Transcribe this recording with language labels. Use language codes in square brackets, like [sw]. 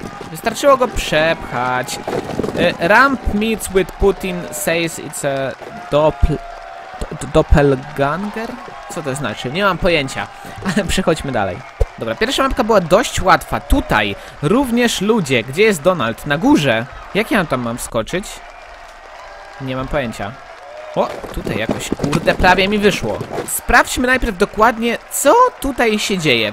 [pl] Wystarczyło go przepchać. [en] Ramp meets with Putin says it's a doppelganger? [pl] Co to znaczy? Nie mam pojęcia. Ale przechodźmy dalej. Dobra, pierwsza mapka była dość łatwa. Tutaj również ludzie. Gdzie jest Donald? Na górze. Jak ja tam mam wskoczyć? Nie mam pojęcia. O, tutaj jakoś, kurde, prawie mi wyszło. Sprawdźmy najpierw dokładnie, co tutaj się dzieje.